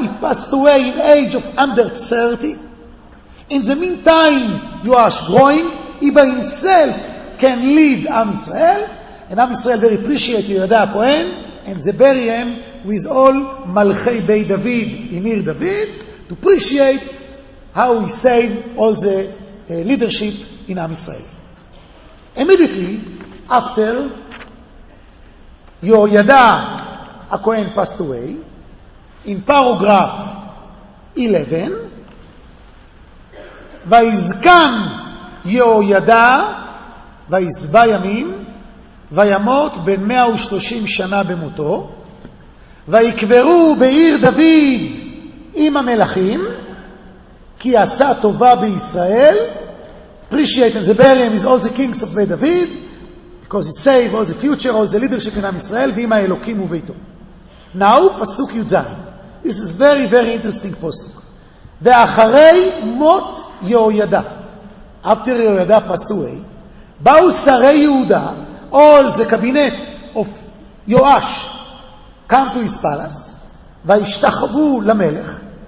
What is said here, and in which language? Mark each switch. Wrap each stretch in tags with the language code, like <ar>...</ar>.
<en>He passed away in age of under 30. In the meantime, Yoash growing, he by himself can lead Am Israel, and Am Israel very appreciate Yoyada HaKohen, and they bury him with all Malchei Beit David in Ir David, to appreciate how he saved all the leadership in Am Israel. Immediately after Yoyada HaKohen passed away, in paragraph 11,</en> <he>Vayizkan Yoyada ויזבא ימים וימות בן 130 שנה במותו ויקברו בעיר דוד עם המלכים כי עשה טובה בישראל.</he> <en>Appreciate and the burial is all the kings of David, because he saved all the future, all the leadership in Am Israel</en> <he>ועם האלוקים וביתו.</he> <en>Now, Pasuk Yudzan. This is very, very interesting Pasuk.</en> <he>Ve'acharei mot Yehoyada.</he> <en>After Yehoyada passed away,</en> <he>Ba'u Sarei Yehuda,</he> <en>all the cabinet of Yoash, come to his palace,</en> <he>Ve'ishtachabu Lamelech.</he>